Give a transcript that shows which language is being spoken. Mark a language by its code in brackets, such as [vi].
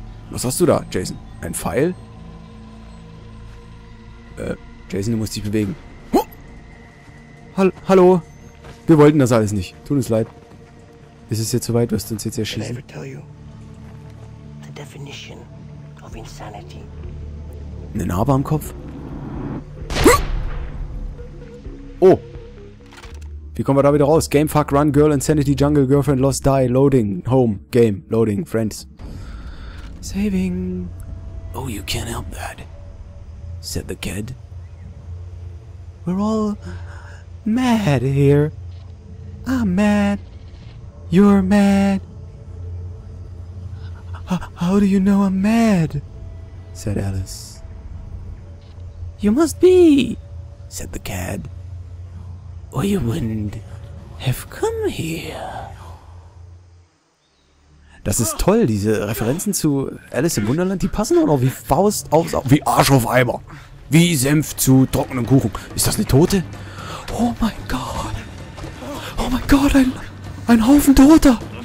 [de] Was hast du da, Jason? Ein Pfeil? Jason, du musst dich bewegen. Hallo? Wir wollten das alles nicht. Tut uns leid. Ist es jetzt soweit? Wirst du uns jetzt erschießen? [en] The definition of insanity. [de] Eine Narbe am Kopf? Oh! Wie kommen wir da wieder raus? [en] Game, fuck, run, girl, insanity, jungle, girlfriend, lost, die, loading, home, game, loading, friends. Saving. Oh, you can't help that, said the kid. We're all mad here. I'm mad. You're mad. How do you know I'm mad? Said Alice. You must be, said the cat, or you wouldn't have come here. [de] Das ist toll, diese Referenzen zu Alice im Wunderland, die passen auch noch wie Faust auf... Wie Arsch auf Eimer. Wie Senf zu trockenem Kuchen. Ist das eine Tote? Oh mein Gott. Oh mein Gott, ein Haufen Toter.